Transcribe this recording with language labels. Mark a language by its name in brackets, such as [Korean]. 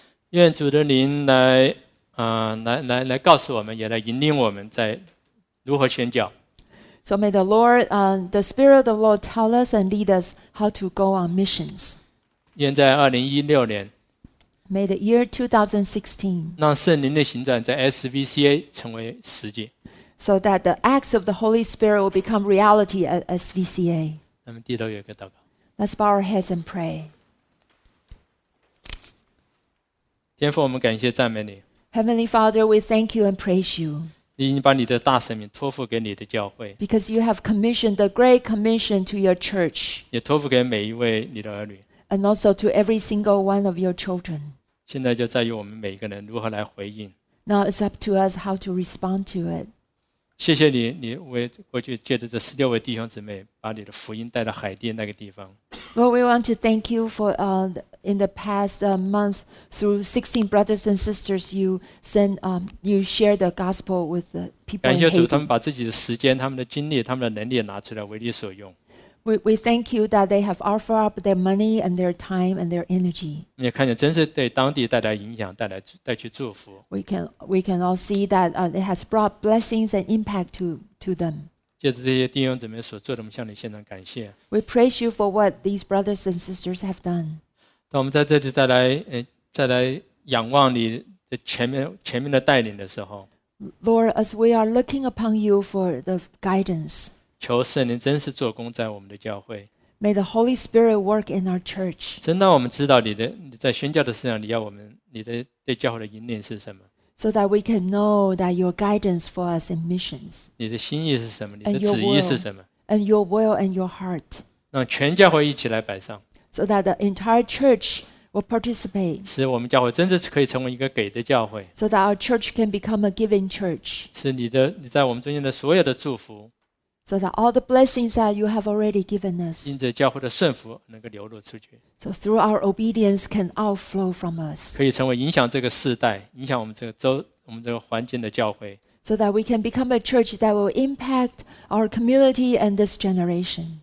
[Chinese] 愿主的灵来告诉我们，也来引领我们在如何宣教。 [English] So may the Lord, the Spirit of the Lord tell us and lead us how to go on missions. [Chinese] 愿在2016年 [English] May the year 2016. [Chinese] 让圣灵的行转在 SVCA 成为实际。 [English] So that the acts of the Holy Spirit will become reality at SVCA. [Chinese] 我们低头有一个祷告。 [English] Let's bow our heads and pray. [Chinese] 天父，我们感谢赞美你。 [English] Heavenly Father, we thank you and praise you. [Chinese] 你已经把你的大使命托付给你的教会。 [English] Because you have commissioned the great commission to your church. [Chinese] 也托付给每一位你的儿女。 [English] And also to every single one of your children. [Chinese] 现在就在于我们每一个人如何来回应。 [English] Now it's up to us how to respond to it. [Chinese] 谢谢你，你为过去借着这16位弟兄姊妹，把你的福音带到海地那个地方。 [English] Lord, we want to thank you for in the past month through 16 brothers and sisters, you send you share the gospel with the people. [Chinese] 感谢主，他们把自己的时间、他们的精力、他们的能力拿出来为你所用。 [English] We thank you that they have offered up their money and their time and their energy. [Chinese] 你也看见真是对当地带来影响，带来带去祝福。 [English] We can all see that it has brought blessings and impact to them. [Chinese] 借着这些弟兄姊妹所做的，我们向你献上感谢。 [English] We praise you for what these brothers and sisters have done. [Chinese] 当我们在这里再来仰望你的前面的带领的时候 [English] ，Lord, as we are looking upon you for the guidance. [Chinese] 求圣灵真实做工在我们的教会。 [English] May the Holy Spirit work in our church. [Chinese] 真让我们知道你在宣教的事上，你要我们你的对教会的引领是什么。 [English] So that we can know that your guidance for us in missions. [Chinese] 你的心意是什么？你的旨意是什么 [English] ？And your will and your heart. [Chinese] 让全教会一起来摆上。 [English] So that the entire church will participate. [Chinese] 使我们教会真的可以成为一个给的教会。 [English] So that our church can become a giving church. [Chinese] 使你在我们中间的所有的祝福。 [English] So that all the blessings that you have already given us, [Chinese] 因着教会的顺服能够流露出去。 [English] So through our obedience can outflow from us, [Chinese] 可以成为影响这个世代、影响我们这个周、我们这个环境的教会。 [English] So that we can become a church that will impact our community and this generation.